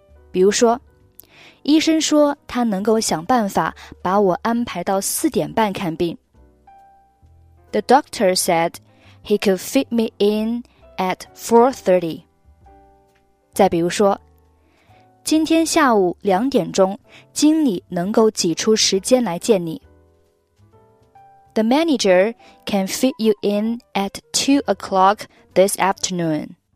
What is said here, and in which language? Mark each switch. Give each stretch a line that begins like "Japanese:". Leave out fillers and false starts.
Chinese: 比如说，医生说他能够想办法把我安排到4:30看病。
English: The doctor said he could fit me in at 4:30.
Chinese: 再比如说，今天下午2:00，经理能够挤出时间来见你。
English: The manager can fit you in at 2:00 this afternoon.